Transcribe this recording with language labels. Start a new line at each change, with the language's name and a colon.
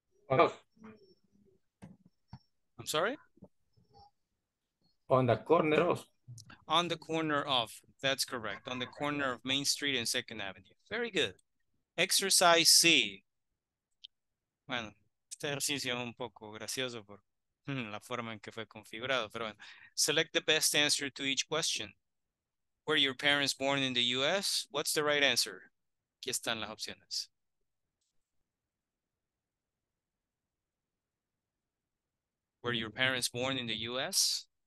English: I'm sorry? On the corner of. On the corner of. That's correct. On the corner of Main Street and 2nd Avenue. Very good. Exercise C.
Spanish: Bueno, este ejercicio es un poco gracioso por la forma en que fue configurado, pero bueno.
English: Select the best answer to each question. Were your parents born in the U.S.? What's the right answer?
Spanish: Aquí están las opciones.
English: Were your parents born in the U.S.?